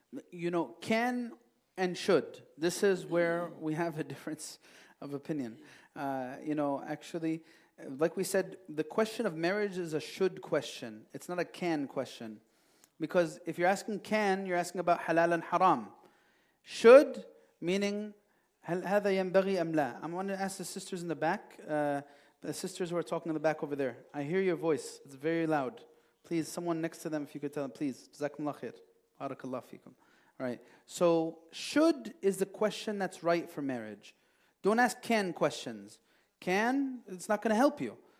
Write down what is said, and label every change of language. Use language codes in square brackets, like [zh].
[en] You know, can and should. This is where we have a difference of opinion. Actually, like we said, the question of marriage is a should question. It's not a can question. Because if you're asking can, you're asking about halal and haram. [ar] Should, meaning, هل هذا ينبغي أم لا? [en] I'm going to ask the sisters in the back, the sisters who are talking in the back over there. I hear your voice. It's very loud. Please, someone next to them, if you could tell them, please. [ar] جزاكم الله خير. بارك الله فيكم. All right. [en] So, should is the question that's right for marriage. Don't ask can questions. Can, it's not going to help you.